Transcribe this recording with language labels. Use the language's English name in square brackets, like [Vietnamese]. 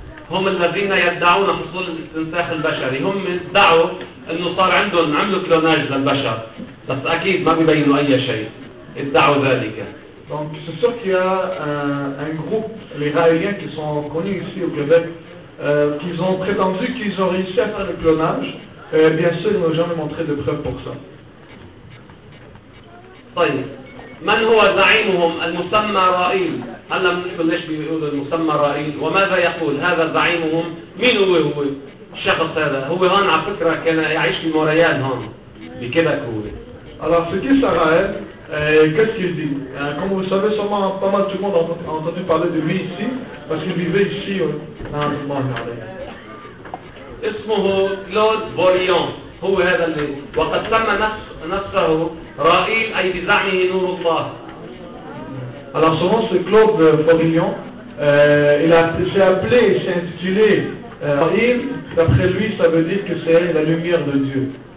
[Arabic] هم الذين يدعون حصول الاستنساخ البشري هم ادعوا انه صار عندهم عملوا كلوناج للبشر بس اكيد ما بيبينوا اي شيء ادعوا ذلك [French] donc c'est sûr qu'il y a un groupe les Raéliens qui sont connus ici au Québec qui ont prétendu qu'ils ont réussi à faire le clonage et bien sûr ils n'ont jamais montré de preuve pour ça. [Arabic] طيب من هو زعيمهم المسمى رائيل هلا بنحكي ليش بيقول المسمى رائيل وماذا يقول هذا زعيمهم مين هو هو الشخص هذا هو هون على فكره كان يعيش في موريال هون بكيبك هو [French] alors ce qui est Raël qu'est-ce qu'il dit comme vous savez sûrement pas mal tout le monde a entendu parler de lui ici parce qu'il vivait ici dans le monde [Arabic] اسمه كلود بوريون هو هذا اللي وقد سمى نفسه رائيل اي بزعمه نور الله [French] Alors selon ce Claude Forillon, s'est appelé, s'est intitulé Raïl, d'après lui ça veut dire que c'est la lumière de Dieu.